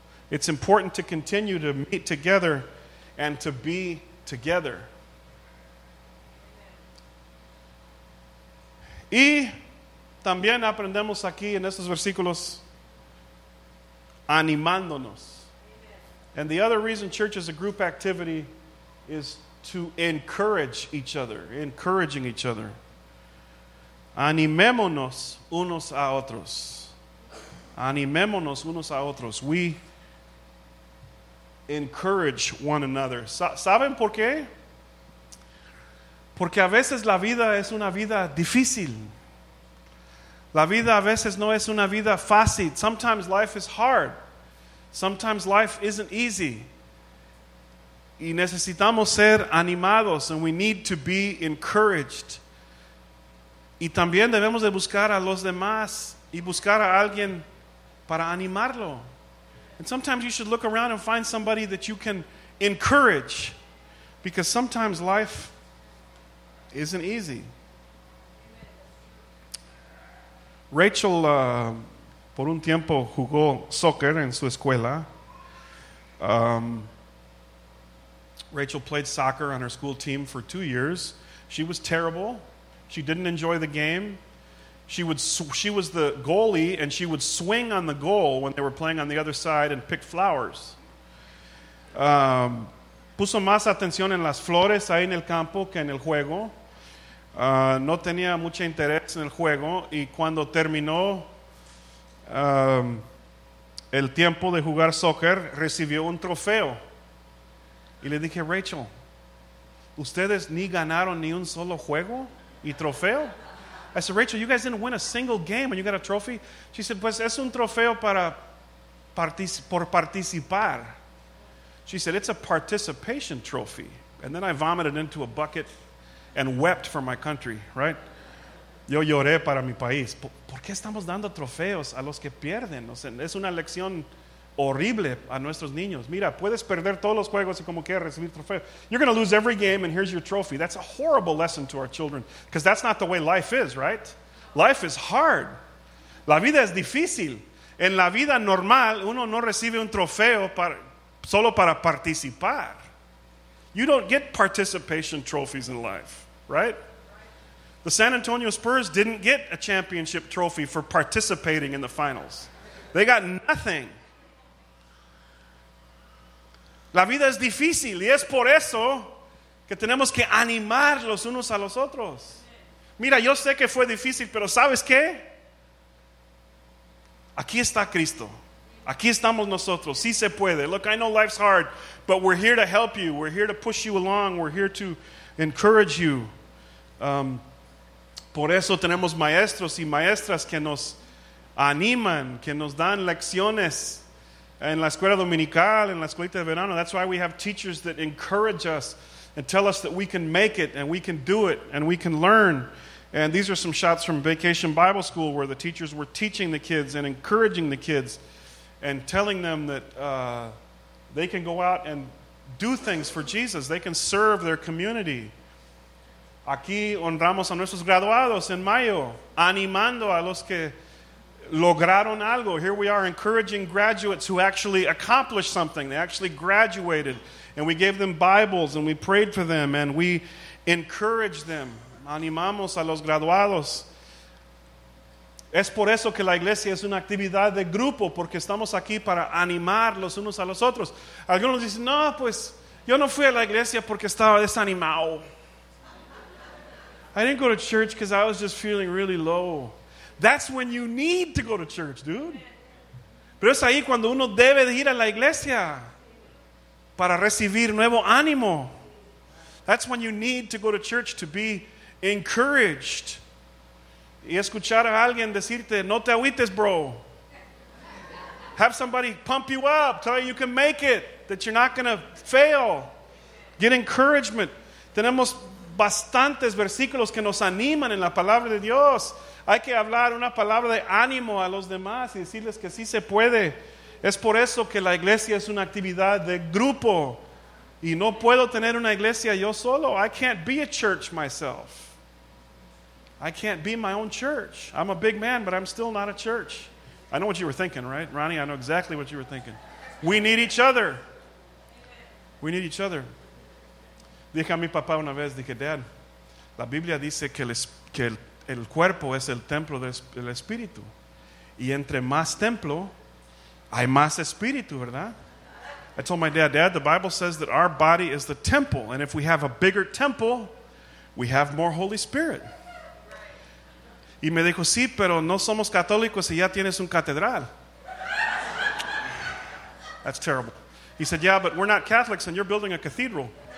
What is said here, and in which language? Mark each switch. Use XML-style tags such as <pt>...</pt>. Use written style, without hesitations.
<en>It's important to continue to meet together and to be together.</en> <es>Y también aprendemos aquí en estos versículos animándonos.</es> <en>And the other reason church is a group activity is to encourage each other, encouraging each other.</en> <es>Animémonos unos a otros. Animémonos unos a otros.</es> <en>We encourage one another.</en> <es>¿Saben por qué? Porque a veces la vida es una vida difícil. La vida a veces no es una vida fácil.</es> <en>Sometimes life is hard. Sometimes life isn't easy.</en> <es>Y necesitamos ser animados,</es> <en>and we need to be encouraged.</en> <es>Y también debemos de buscar a los demás y buscar a alguien para animarlo.</es> <en>And sometimes you should look around and find somebody that you can encourage, because sometimes life isn't easy.</en> <es>Rachel, por un tiempo, jugó soccer en su escuela.</es> <en>Rachel played soccer on her school team for 2 years. She was terrible. She didn't enjoy the game. She was the goalie, and she would swing on the goal when they were playing on the other side and pick flowers.</en> <es>Puso más atención en las flores ahí en el campo que en el juego. No tenía mucho interés en el juego, y cuando terminó el tiempo de jugar soccer, recibió un trofeo. Y le dije, Rachel, ¿ustedes ni ganaron ni un solo juego y trofeo?</es> <en>I said, Rachel, you guys didn't win a single game and you got a trophy. She said,</en> <es>pues es un trofeo para por participar.</es> <en>She said, it's a participation trophy. And then I vomited into a bucket and wept for my country, right?</en> <es>Yo lloré para mi país. ¿Por qué estamos dando trofeos a los que pierden? O sea, es una lección horrible a nuestros niños. Mira, puedes perder todos los juegos y como quieras recibir trofeo.</es> <en>You're going to lose every game and here's your trophy. That's a horrible lesson to our children, because that's not the way life is, right? Life is hard.</en> <es>La vida es difícil. En la vida normal, uno no recibe un trofeo solo para participar.</es> <en>You don't get participation trophies in life, right? The San Antonio Spurs didn't get a championship trophy for participating in the finals. They got nothing.</en> <es>La vida es difícil, y es por eso que tenemos que animar los unos a los otros. Mira, yo sé que fue difícil, pero ¿sabes qué? Aquí está Cristo. Aquí estamos nosotros. Sí se puede.</es> <en>Look, I know life's hard, but we're here to help you. We're here to push you along. We're here to encourage you.</en> <es>Por eso tenemos maestros y maestras que nos animan, que nos dan lecciones. En la escuela dominical, en la escuelita de verano,</es> <en>that's why we have teachers that encourage us and tell us that we can make it and we can do it and we can learn. And these are some shots from Vacation Bible School where the teachers were teaching the kids and encouraging the kids and telling them that they can go out and do things for Jesus. They can serve their community.</en> <es>Aquí honramos a nuestros graduados en mayo, animando a los que lograron algo.</es> <en>Here we are encouraging graduates who actually accomplished something. They actually graduated, and we gave them Bibles and we prayed for them and we encouraged them.</en> <es>Animamos a los graduados. Es por eso que la iglesia es una actividad de grupo, porque estamos aquí para animar los unos a los otros. Algunos dicen, no, pues yo no fui a la iglesia porque estaba desanimado.</es> <en>I didn't go to church because I was just feeling really low. That's when you need to go to church, dude.</en> <es>Pero es ahí cuando uno debe de ir a la iglesia para recibir nuevo ánimo.</es> <en>That's when you need to go to church to be encouraged.</en> <es>Y escuchar a alguien decirte, no te agüites, bro.</es> <en>Have somebody pump you up, tell you you can make it, that you're not going to fail. Get encouragement.</en> <es>Tenemos bastantes versículos que nos animan en la palabra de Dios. Hay que hablar una palabra de ánimo a los demás y decirles que sí se puede. Es por eso que la iglesia es una actividad de grupo. Y no puedo tener una iglesia yo solo.</es> <en>I can't be a church myself. I can't be my own church. I'm a big man, but I'm still not a church. I know what you were thinking, right? Ronnie, I know exactly what you were thinking. We need each other. We need each other.</en> <es>Dije a mi papá una vez, dije, Dad, la Biblia dice que el cuerpo es el templo del espíritu. Y entre más templo, hay más espíritu, ¿verdad?</es> <en>I told my dad, the Bible says that our body is the temple. And if we have a bigger temple, we have more Holy Spirit.</en> <es>Y me dijo, sí, pero no somos católicos y ya tienes un catedral.</es> <en>That's terrible. He said, yeah, but we're not Catholics and you're building a cathedral.</en>